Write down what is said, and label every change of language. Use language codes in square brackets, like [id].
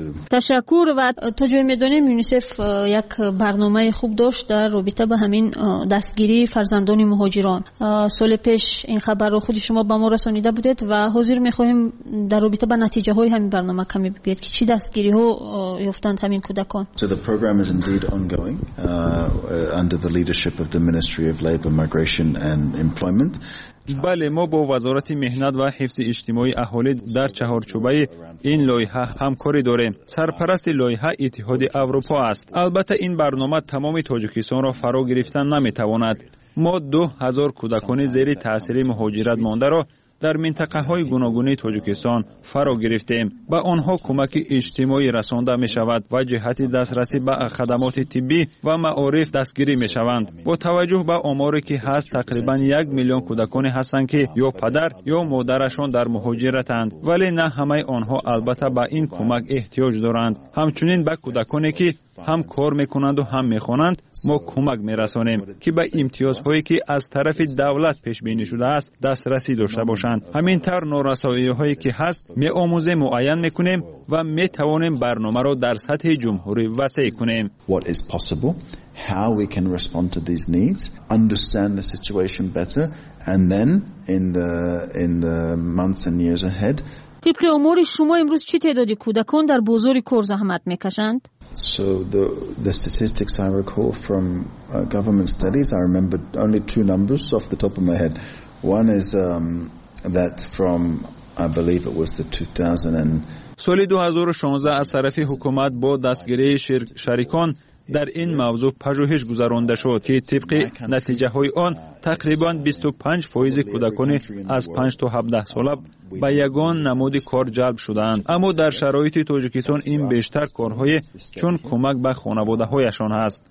[fa] تشکر و تا جای می‌دانیم یونیسف یک برنامه خوب داشت در رابطه با همین دستگیری فرزندان مهاجران. سال پیش این خبر رو خود شما به ما رسانیده بودید و حاضر می‌خواهیم در رابطه با نتیجه های همین برنامه کمی بگید که چی دستگیری ها یافتند همین کودکان. [en] So the program is indeed ongoing under the leadership of the Ministry of Labor, Migration and Employment. [fa] بله، ما با وزارت مهنت و حفظ اجتماعی اهالی در چهارچوبه این لایحه همکاری داریم. سرپرست لایحه اتحاد اروپا است. البته این برنامه تمام تاجیکستان را فرا گرفتن نمیتواند. ما 2000 کودکان زیر تاثیر مهاجرت مانده را در منطقه های گوناگون تاجیکستان فرا گرفتیم. به آنها کمک اجتماعی رسانده می شود و جهت دسترسی به خدمات طبی و معارف دستگیری می شوند. با توجه به آماری که هست، تقریبا 1 میلیون کودکان هستند که یا پدر یا مادرشان در مهاجرتند، ولی نه همه آنها البته به این کمک احتیاج دارند. همچنین به کودکانی که هم کار میکنند و هم میخوانند ما کمک میرسانیم که به امتیازهایی که از طرف دولت پیش بینی شده است دسترسی داشته باشند. همین تر نورسایی هایی که هست میآموزیم، معین میکنیم و میتوانیم برنامه را در سطح جمهوری وسیع کنیم. [en] What is possible, how we can respond to these needs, understand the situation better, and then in the months and years ahead. [fa] طبق امور شما امروز چه تعدادی کودکان در بازار کار زحمت میکشند؟ [en] So the statistics I recall from government studies, I remember only two numbers off the top of my head. One is that from, I believe it was the 2000. [fa] سال 2016 از طرف حکومت با دستگیری شریکان در این موضوع پژوهش گذرانده شد که طبق نتیجه های آن تقریبا 25% کودکان از 5 تا 17 ساله به یگان نمود کار جلب شدند. اما در شرایط تاجیکستان این بیشتر کارهای چون کمک به خانواده هایشان هست.